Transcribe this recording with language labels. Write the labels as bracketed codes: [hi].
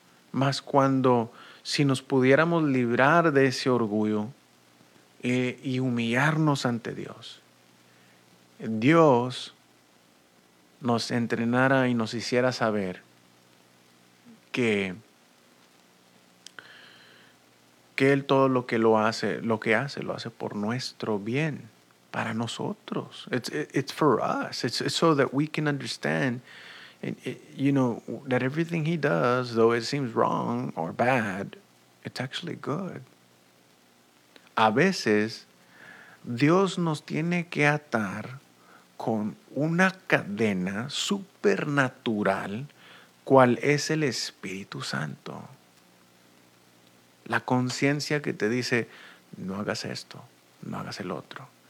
[es] Mas cuando, si nos pudiéramos librar de ese orgullo y humillarnos ante Dios, Dios nos entrenara y nos hiciera saber que Él todo lo que lo hace por nuestro bien, para nosotros. [en] It's for us. It's so that we can understand, you know, that everything He does, though it seems wrong or bad, it's actually good. [es] A veces, Dios nos tiene que atar con una cadena supernatural, cual es el Espíritu Santo. La conciencia que te dice, no hagas esto, no hagas el otro.